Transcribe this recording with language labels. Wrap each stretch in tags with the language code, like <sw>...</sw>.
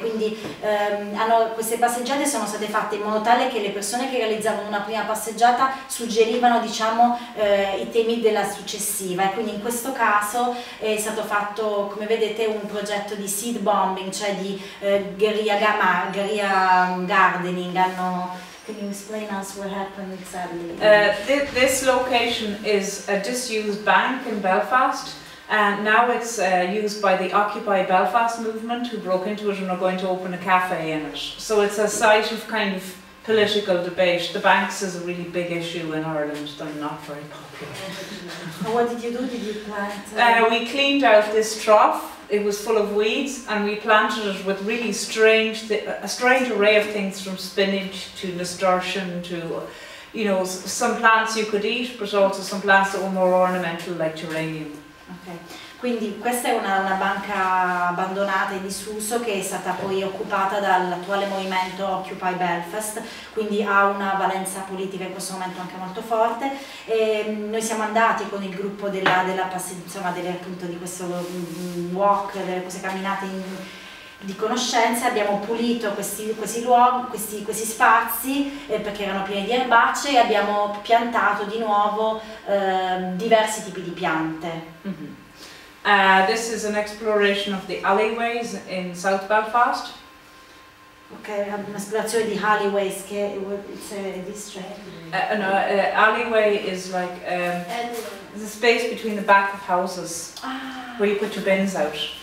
<it>Quindi queste passeggiate sono state fatte in modo tale che le persone che realizzavano una prima passeggiata suggerivano diciamo i temi della successiva, e quindi in questo caso è stato fatto, come vedete, un progetto di seed bombing, cioè di guerrilla gardening.</it> <en>Can you explain us what happened exactly? This location is a disused bank in Belfast, and now it's used by the Occupy Belfast movement, who broke into it and are going to open a cafe in it. So it's a site of kind of political debate. The banks is a really big issue in Ireland. They're not very popular. What did you do? Did you plant? We cleaned out this trough. It was full of weeds, and we planted it with really a strange array of things, from spinach to nasturtium to, you know, some plants you could eat, but also some plants that were more ornamental, like geranium. Okay.</en> <it>Quindi questa è una banca abbandonata e disuso che è stata poi occupata dall'attuale movimento Occupy Belfast, quindi ha una valenza politica in questo momento anche molto forte. E noi siamo andati con il gruppo di conoscenza, abbiamo pulito questi luoghi, questi spazi, perché erano pieni di erbacce, e abbiamo piantato di nuovo diversi tipi di piante.</it> <en>This is an exploration of the alleyways in South Belfast.</en> <it>Okay, un'esplorazione di alleyways, che è distretto.</it> <en>Alleyway is like the space between the back of houses where you put your bins out.</en>